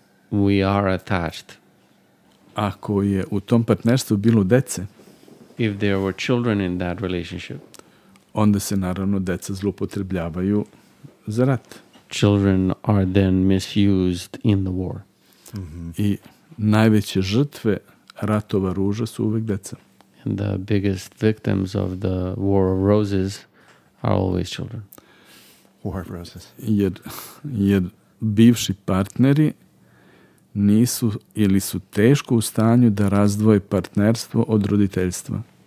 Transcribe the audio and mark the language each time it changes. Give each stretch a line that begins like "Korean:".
English: We are attached.
Serbian: Ako je u tom partnerstvu bilo dece,
English: if there were children in that relationship,
Serbian: onda se naravno deca zloupotrebljavaju za rat.
English: Children are then misused in the war. Mm-hmm.
Serbian: I najveće žrtve ratova ruža su uvek deca.
English: And the biggest victims of the War of Roses are always children. War of Roses.
Serbian: Jer bivši partneri nisu ili su teško u stanju da razdvoje partnerstvo od roditeljstva.